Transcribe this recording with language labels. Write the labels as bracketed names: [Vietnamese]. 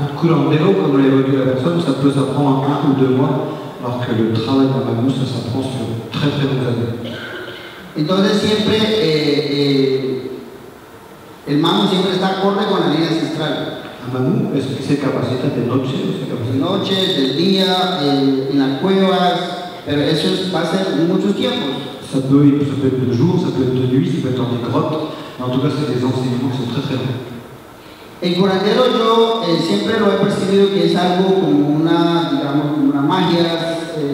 [Spanish] Curandero, como le dije a la persona, se puede aprender en 1 o 2 meses, [French] alors que [Spanish] el trabajo de mamo se aprende en [French] très très longues années. [Spanish] Entonces, siempre. El mamu siempre está acorde con la ley ancestral. ¿El mamu es que se capacita de noche? De noche, del día, en las cuevas, pero eso va a ser muchos tiempos. [French] Ça peut être de jour, ça peut être de nuit, ça peut être en des grottes, mais en tout cas, c'est des enseignements qui sont très très longs. [Spanish] El curandero yo siempre lo he percibido que es algo como una, digamos, como una magia.